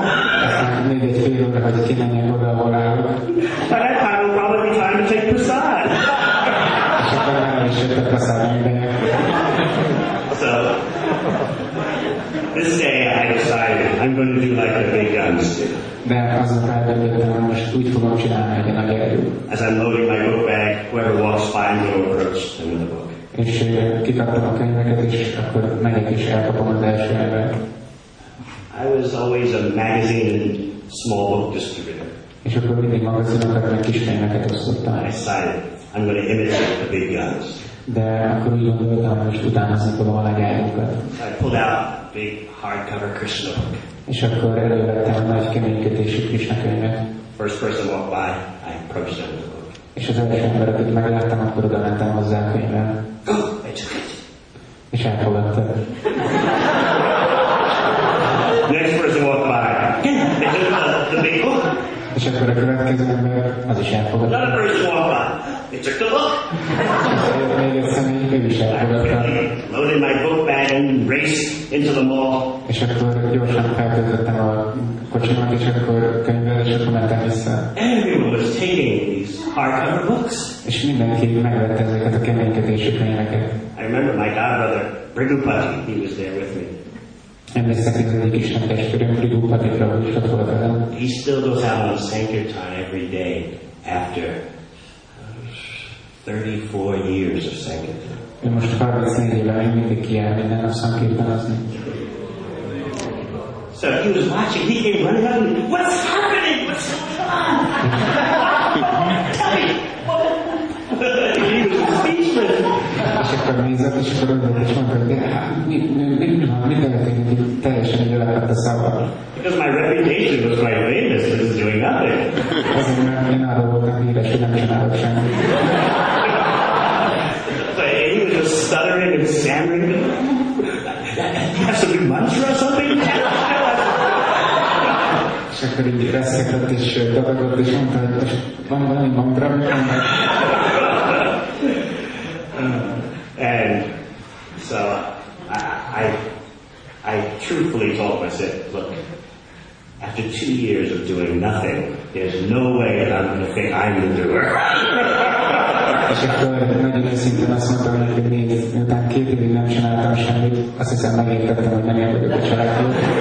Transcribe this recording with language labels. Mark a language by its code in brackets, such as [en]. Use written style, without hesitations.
[en] So, this day I decided I'm going to do like the big guns do. As I'm loading my book bag, whoever walks by I'm going to approach them in the book. [hu] És kikaptam a könyveket, és akkor megyek is elkapom az első ember. [en] I was always a magazine and small book distributor. [hu] És akkor mindig magazinokat, meg kis könyveket osztottam. [en] I decided I'm going to imitate the big guns. [hu] De akkor úgy gondoltam, hogy most utána szintem a legjobbat. [en] I pulled out big hardcover Krishna book. [hu] És akkor elővettem a nagy keménykötésű Krishna könyvet. [en] First person walked by, I approached them with the book. [hu] És az első ember, akit megláttam, akkor oda mentem hozzá a könyvvel. [en] Oh, I took it. [hu] És elfogadta. [en] Next person walked by, they took the big book. [hu] És akkor a következő ember, az is elfogadta. [en] Another person walked by. They took the book. [hu] Még egyszer, még egyszer, [en] I loaded my book bag and raced into the mall. [hu] És akkor gyorsan feltöltöttem a kocsimat, és akkor könyvvel, és akkor mentem vissza. [en] Everyone was taking these hardcover books. [hu] És mindenki megvette ezeket a keménykötésű könyveket. [en] I remember my godbrother, Brigupati, he was there with me. [hu] Emlékszem, hogy az egyik Isten testvérem, Brigupatira, hogy is ott volt velem. [en] He still goes out on Sankirtan every day after 34 years of Sankirtan. [hu] Én most 34 éve még mindig kijár minden nap Sankirtanozni. [en] So he was watching, he came running up to me, what's happening? What's going on? Tell me! He was speechless. [hu] És akkor nézett, és akkor mondta, de mi történt, hogy teljesen elvett a szavak. [en] Because my reputation was quite famous, this is doing nothing. [hu] Azért, mert én arra voltam híres, hogy nem csinálok semmit. [en] Stuttering and stammering. You have some new mantra or something? Tell us. And so I went I truthfully told him, I said, look, after 2 years of doing nothing, there's no way that I'm going to think I'm the doer. [hu] És akkor nagyon őszintén azt mondtam, hogy még miután két évig nem csináltam semmit, azt hiszem megértettem, hogy nem ilyen vagyok a családból.